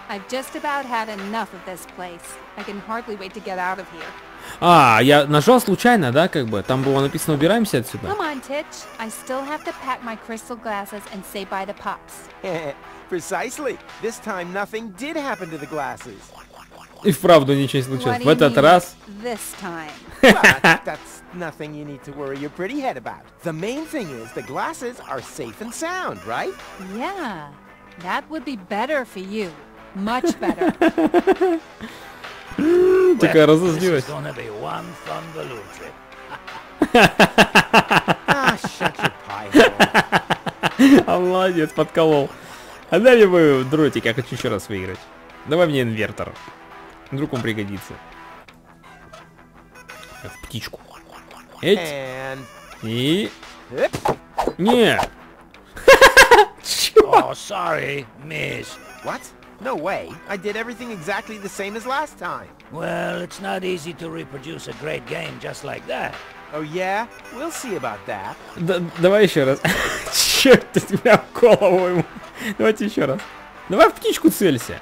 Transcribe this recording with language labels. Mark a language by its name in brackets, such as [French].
[English] I've just about had enough of this place. I can hardly wait to get out of here. [Russian] А, я нажал случайно, да, как бы? Там было написано, убираемся отсюда. [English] Come on, Titch. I still have to pack my crystal glasses and say bye to Pops. Precisely. This time nothing did happen to the glasses. [Russian] И вправду ничего не случилось. В этот раз... [English] This time. Well, that's nothing you need to worry your pretty head about. The main thing is the glasses are safe and sound, right? Yeah. That would be better for you. Much better. [Russian] Такая разозлилась. [English] This is gonna be one fun balloon trip. Ah, shut your pie hole. [Russian] А молодец, подколол. А дай мне мой дротик, я хочу еще раз выиграть. Давай мне инвертор. Вдруг он пригодится. Как птичку. Эть. [English] And... [Russian] И... Не! [English] Oh, sorry, miss. What? No way. I did everything exactly the same as last time. Well, it's not easy to reproduce a great game just like that. Oh, yeah? We'll see about that. [Russian] Давай еще раз. Черт, ты меня в голову ему. Давайте еще раз. Давай в птичку целься.